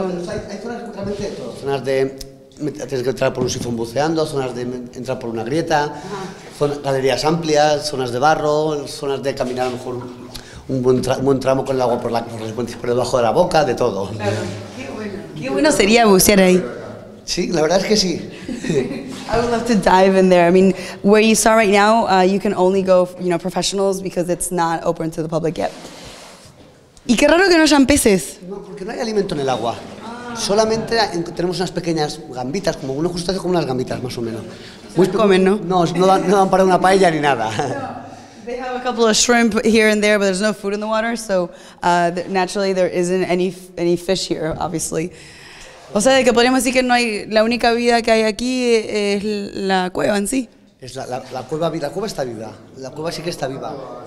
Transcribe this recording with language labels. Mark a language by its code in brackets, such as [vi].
[es] Hay zonas realmente de todo. Tienes que entrar por un sifón buceando, zonas de entrar por una grieta. Ajá. Galerías amplias, zonas de barro, zonas de caminar a lo mejor un buen tramo con el agua por debajo de la boca, de todo. Claro. Qué bueno sería bucear ahí. Sí, la verdad es que sí. [en] I would love to dive in there. I mean, where you saw right now, you can only go, you know, professionals because it's not open to the public yet. [es] Y qué raro que no hayan peces. No, porque no hay alimento en el agua. Solamente tenemos unas pequeñas gambitas, como unos crustáceos, como unas gambitas, más o menos. Muy comen, ¿no? No dan para una paella ni nada. [en] No, they have a couple of shrimp here and there, but there's no food in the water, so naturally there isn't any fish here, obviously. [es] O sea, de que podríamos decir que no hay, la única vida que hay aquí es la cueva en sí. Es la cueva está viva, la cueva sí que está viva.